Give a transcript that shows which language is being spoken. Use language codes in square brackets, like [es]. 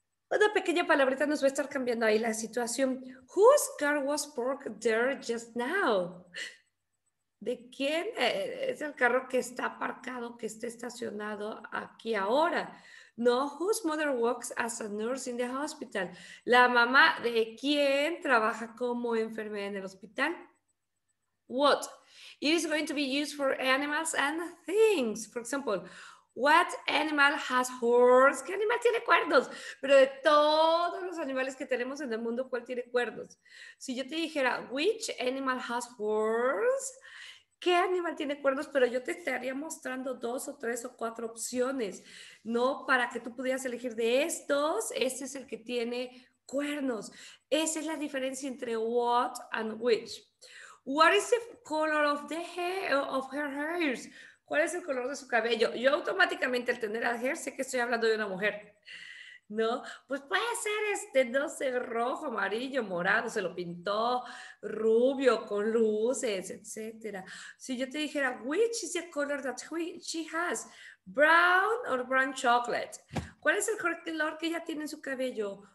[es] Una pequeña palabrita nos va a estar cambiando ahí la situación. [en] Whose car was parked there just now? [es] ¿De quién es el carro que está aparcado, que está estacionado aquí ahora? [en] No, whose mother works as a nurse in the hospital? [es] ¿La mamá de quién trabaja como enfermera en el hospital? [en] What? It is going to be used for animals and things. For example, what animal has horns? [es] ¿Qué animal tiene cuernos? Pero de todos los animales que tenemos en el mundo, ¿cuál tiene cuernos? Si yo te dijera, [en] which animal has horns? [es] ¿Qué animal tiene cuernos? Pero yo te estaría mostrando dos o tres o cuatro opciones, ¿no? Para que tú pudieras elegir de estos, este es el que tiene cuernos. Esa es la diferencia entre what and which. [en] What is the color of the hair of her hair? [es] ¿Cuál es el color de su cabello? Yo automáticamente al tener al hair sé que estoy hablando de una mujer, ¿no? Pues puede ser no sé, rojo, amarillo, morado, se lo pintó, rubio, con luces, etc. Si yo te dijera, [en] which is the color that she has? Brown or brown chocolate? [es] ¿Cuál es el color que ella tiene en su cabello?